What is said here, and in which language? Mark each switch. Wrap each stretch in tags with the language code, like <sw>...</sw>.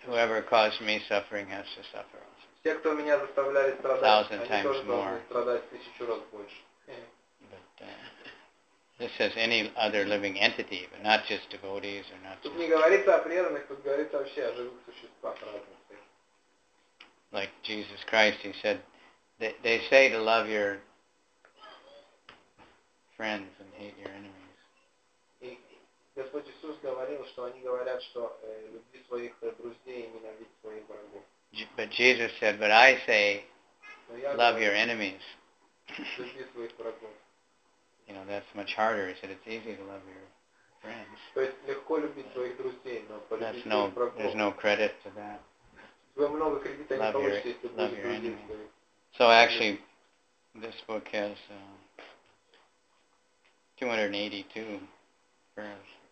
<en>Whoever caused me suffering has to suffer.</en> <ru>Те, кто меня заставляли страдать, они тоже должны страдать тысячу раз больше.</ru> <en>This says any other living entity, but not just devotees or not.</en> <ru>Тут не говорится о преданных, тут говорится вообще о живых существах разных.</ru> <en>Like Jesus Christ, he said, they say to love your friends and hate your enemies.</en> <ru>Господь Иисус говорил, что они говорят, что люби своих друзей и ненавидь своих врагов.</ru> <en>But Jesus said, but I say, love your enemies.</en> <ru>Люби своих врагов.</ru> <en>You know, that's much harder. He said, it's easy to love your friends.</en> <ru>То есть легко любить своих друзей, но полюбить своих врагов.</ru> <en>There's no credit to that.</en> <ru>Вы много кредита не получите, если будете друзей своих.</ru> <en>So actually, this book has 282 verses.</en>